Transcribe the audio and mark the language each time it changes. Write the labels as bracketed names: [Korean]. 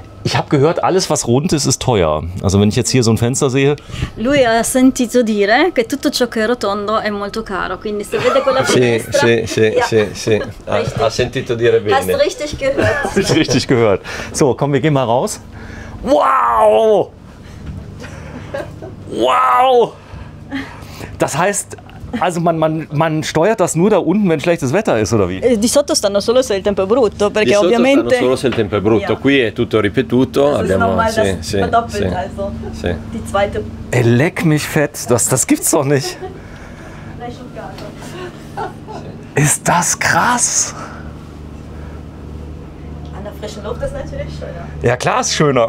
[German] Ich habe gehört, alles was rund ist, ist teuer. Also wenn ich jetzt hier so ein Fenster sehe. [Italian] Lui ha sentito dire che tutto ciò che è rotondo è molto caro. Quindi se vede quella finestra. Sì. Ha sentito dire bene. [German] Hast richtig gehört. Hast richtig gehört. So, komm, wir gehen mal raus. Wow! Wow! Das heißt, also man steuert das nur da unten, wenn schlechtes Wetter ist, oder wie? [Italian] Di sotto stanno solo se il tempo è brutto, perché ovviamente... Di sotto stanno solo se il tempo è brutto. Qui è tutto ripetuto. [German] Das abbiamo, ist nochmal das verdoppelt, also. [Italian] Sì. [German] Die zweite... Leck mich fett, das gibt's doch nicht. Ist das krass! An der frischen Luft ist natürlich schöner. Ja klar, ist schöner.